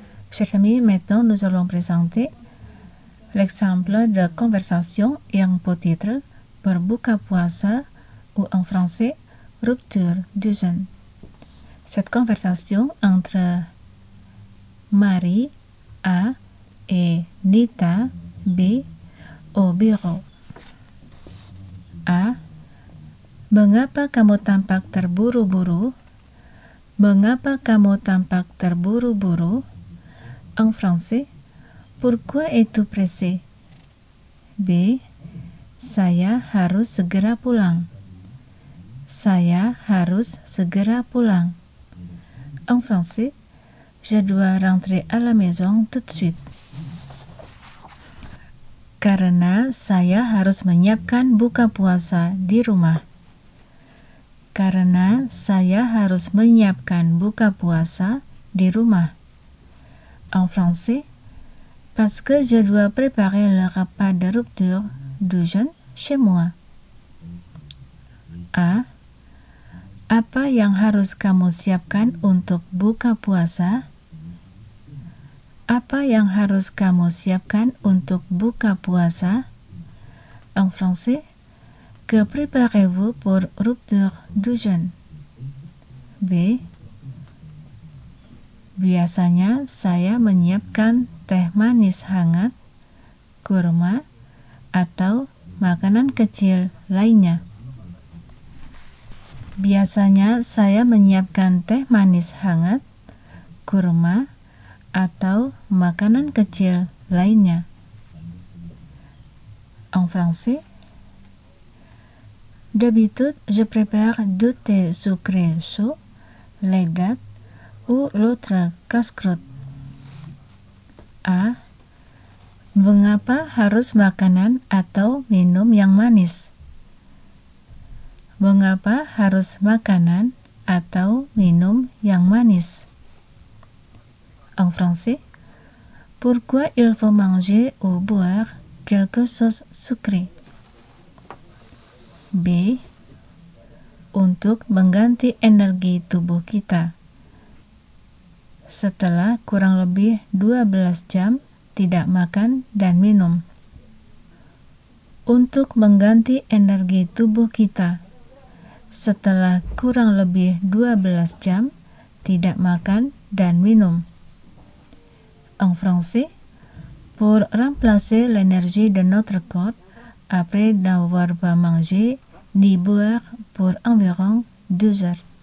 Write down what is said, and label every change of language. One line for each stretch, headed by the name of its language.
French: Chers amis, maintenant nous allons présenter l'exemple de conversation ayant pour titre Berbuka Puasa ou en français Rupture du jeûne. Cette conversation entre Marie A et Nita B au bureau. A.
Indonesian: Mengapa kamu tampak terburu-buru? Mengapa kamu tampak terburu-buru?
French: en français, pourquoi es-tu pressé? B.
Indonesian: Saya harus segera pulang. Saya harus segera pulang.
French: En français, je dois rentrer à la maison tout de suite.
Indonesian: Karena saya harus menyiapkan buka puasa di rumah. Karena saya harus menyiapkan buka puasa di rumah.
French: En français, parce que je dois préparer le repas de rupture du jeûne chez moi. A.
Indonesian: Apa yang harus kamu siapkan untuk buka puasa? Apa yang harus kamu siapkan untuk buka puasa?
French: En français, que préparez-vous pour rupture du jeûne? B.
Indonesian: Biasanya saya menyiapkan teh manis hangat, kurma, atau makanan kecil lainnya. Biasanya saya menyiapkan teh manis hangat, kurma, atau makanan kecil lainnya.
French: En français, d'habitude je prépare deux thé sucré chaud, les dates ou l'autre casse-croûte. A.
Indonesian: Mengapa harus makanan atau minum yang manis? Mengapa harus makanan atau minum yang manis?
French: En français, pourquoi il faut manger ou boire quelque chose sucré?
Indonesian: B. Untuk mengganti energi tubuh kita. Setelah kurang lebih 12 jam tidak makan dan minum. Untuk mengganti energi tubuh kita. Setelah kurang lebih 12 jam tidak makan dan minum.
French: En français, pour remplacer l'énergie de notre corps après n'avoir pas mangé ni boire pour environ 2 heures.